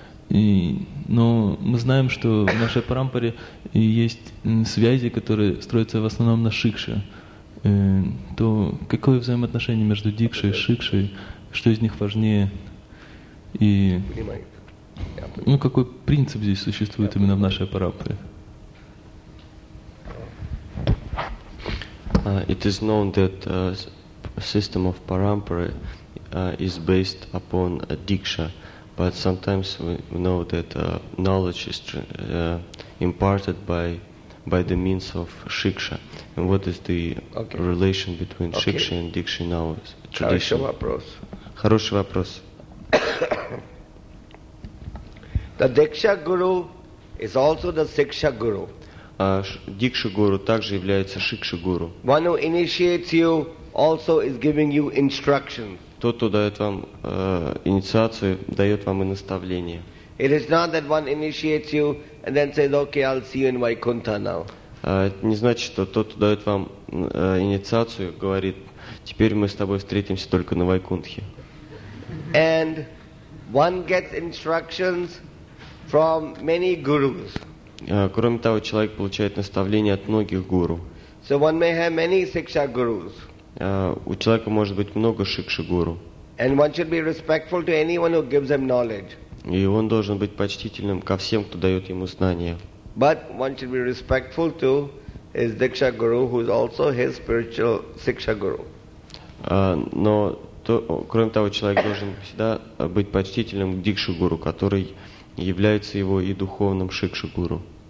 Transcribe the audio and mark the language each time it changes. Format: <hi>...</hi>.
<ru>Но мы знаем, что в нашей парампаре есть связи, которые строятся в основном на шикше. То какое взаимоотношение между дикшей и шикшей? Что из них важнее? И ну, какой принцип здесь существует именно в нашей парампаре?</ru> <en>It is known that system of parampara is based upon a diksha, but sometimes we know that knowledge is imparted by the means of shiksha. And what is the relation between shiksha and diksha in our tradition?</en> <ru>Хороший вопрос.</ru> <en>The diksha guru is also the siksha guru.</en> <ru>Дикша гуру также является шикша гуру.</ru> <en>One who initiates you also is giving you instruction.</en> <ru>Тот, кто дает вам инициацию, дает вам и наставление.</ru> <en>It is not that one initiates you and then says, "Okay, I'll see you in Vaikuntha now."</en> <ru>Это не значит, что тот, кто дает вам инициацию, говорит: теперь мы с тобой встретимся только на Вайкунтхе.</ru> <en>And one gets instructions from many gurus.</en> <ru>Кроме того, человек получает наставления от многих гуру.</ru> <en>So one may have many siksha gurus.</en> <ru>У человека может быть много шикши гуру.</ru> <en>And one should be respectful to anyone who gives him knowledge.</en> <ru>И он должен быть почтительным ко всем, кто дает ему знания.</ru> <en>But one should be respectful to is Diksha Guru, who is also his spiritual Siksha Guru.</en> <ru>Но то, кроме того, человек должен всегда быть почтительным к Дикшу Гуру, который является его и духовным Шикшу Гуру.</ru>